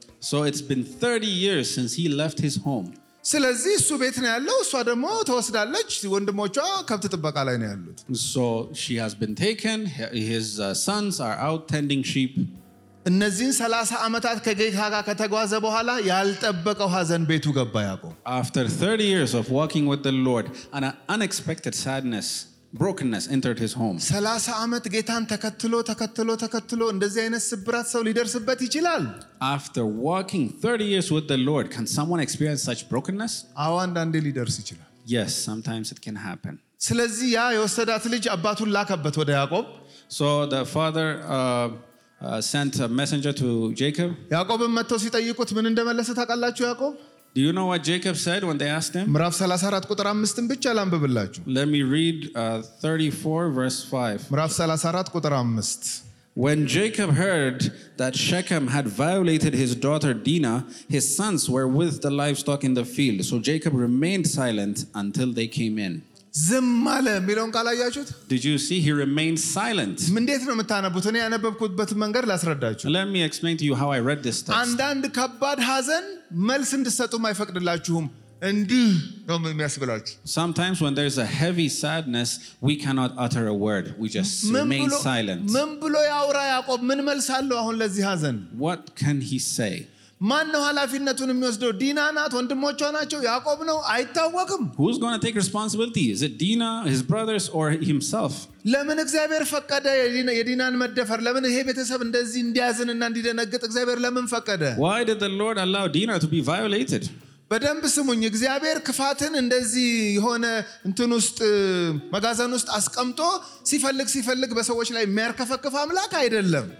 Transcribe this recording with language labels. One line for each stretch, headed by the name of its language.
English: So it's been 30 years since he left his home.
Amharic: ስለዚህ እሱ ቤት ነው ያለው እሷ ደግሞ ተወስዳለች ወንድሞቿ ከብት ጥበቃ ላይ ነው ያሉት
English: So she has been taken his sons are out tending sheep
Amharic: እነዚህን 30 አመታት ከጌታ ጋር ከተጓዘ በኋላ ያልጠበቀው ሀዘን ቤቱ ገባ ያቆብ
English: After 30 years of walking with the Lord an unexpected sadness brokenness entered his home
Amharic: 30 አመት ጌታን ተከትሎ እንደዚህ አይነት ስብራት ሰው ሊደርስበት ይችላል
English: After walking 30 years with the Lord can someone experience such brokenness
Amharic: አዋንዳንዴ ሊደርስ ይችላል
English: Yes sometimes it can happen
Amharic: ስለዚህ ያ የወሰዳት ልጅ አባቱን ላከበት ወደ ያዕቆብ
English: So the father sent a messenger to Jacob
Amharic: ያዕቆብም መጥቶ ሲጠይቁት ምን እንደመለሰ ታቃላችሁ ያዕቆብ
English: Do you know what Jacob said when they asked him?
Amharic: ምራፍ 34 ቁጥር 5ን ብቻ ላንብብላችሁ.
English: Let me read 34 verse 5.
Amharic: ምራፍ 34 ቁጥር 5.
English: When Jacob heard that Shechem had violated his daughter Dinah, his sons were with the livestock in the field. So Jacob remained silent until they came in.
Amharic: ዘማለ ሚሎን ካላያችሁት?
English: Did you see he remained silent?
Amharic: ምንዴት ነው መታነቡት? እኔ ያነበብኩበት መንገድ ላስረዳችሁ.
English: Let me explain to you how I read this text.
Amharic: አንዳንድ ከባድ ሀዘን መልስ እንድትሰጡ ማይፈቅድላችሁም እንዴ ነው የሚያስብላችሁ?
English: Sometimes when there's a heavy sadness we cannot utter a word. We just remain silent.
Amharic: ምን ብሎ ያውራ ያዕቆብ? ምን መልስ አለው አሁን ለዚህ ሀዘን?
English: What can he say?
Amharic: ማን ነው ኃላፊነቱን የሚወስደው? ዲና ናት ወንድሞቿ ናቸው ያዕቆብ ነው አይታወቅም።
English: Who's going to take responsibility? Is it Dina, his brothers or himself?
Amharic: ለምን እግዚአብሔር ፈቀደ የዲናን መደፈር? ለምን ይሄ ቤተሰብ እንደዚህ እንዲያዝንና እንዲደነግጥ እግዚአብሔር ለምን ፈቀደ?
English: Why did the Lord allow Dina to be violated?
Amharic: በደንብ ስሙኝ እግዚአብሔር ክፋትን እንደዚህ የሆነ እንትን ውስጥ መጋዘን ውስጥ አስቀምጦ ሲፈልግ በሰዎች ላይ የሚያርከፈክፍ አምላክ አይደለም።